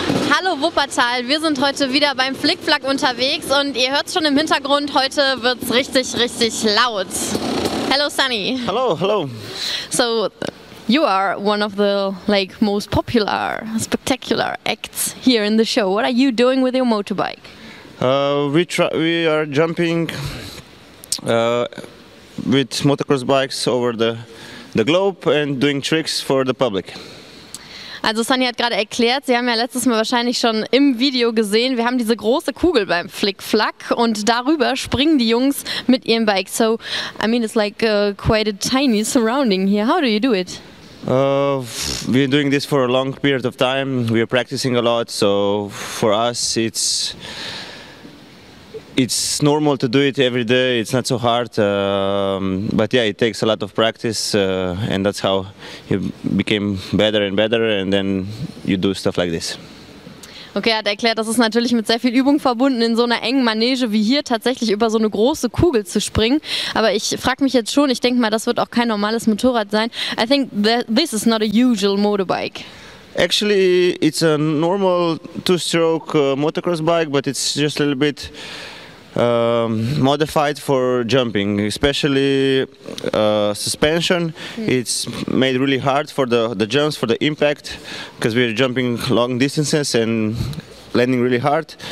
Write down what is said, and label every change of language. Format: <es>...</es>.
<de>Hallo Wuppertal, wir sind heute wieder beim Flic Flac unterwegs und ihr hört es schon im Hintergrund, heute wird es richtig, richtig laut.</de> <en>Hello Sunny. Hello, hello. So, you are one of the like most popular, spectacular acts here in the show. What are you doing with your motorbike? We are jumping with motocross bikes over the globe and doing tricks for the public.</en> <de>Also Sunny hat gerade erklärt, Sie haben ja letztes Mal wahrscheinlich schon im Video gesehen, wir haben diese große Kugel beim Flic Flac und darüber springen die Jungs mit ihrem Bike.</de> <en>So, I mean, it's like quite a tiny surrounding here. How do you do it? We're doing this for a long period of time. We are practicing a lot, so for us it's normal to do it every day. It's not so hard, but yeah, it takes a lot of practice, and that's how you became better and better, and then you do stuff like this.</en> <de>Okay, er hat erklärt, das ist natürlich mit sehr viel Übung verbunden, in so einer engen Manege wie hier tatsächlich über so eine große Kugel zu springen. Aber ich frage mich jetzt schon, ich denke mal, das wird auch kein normales Motorrad sein.</de> <en>I think that this is not a usual motorbike. Actually, it's a normal two-stroke motocross bike, but it's just a little bit modified for jumping, especially suspension. It's made really hard for the jumps, for the impact, because we're jumping long distances and landing really hard.</en>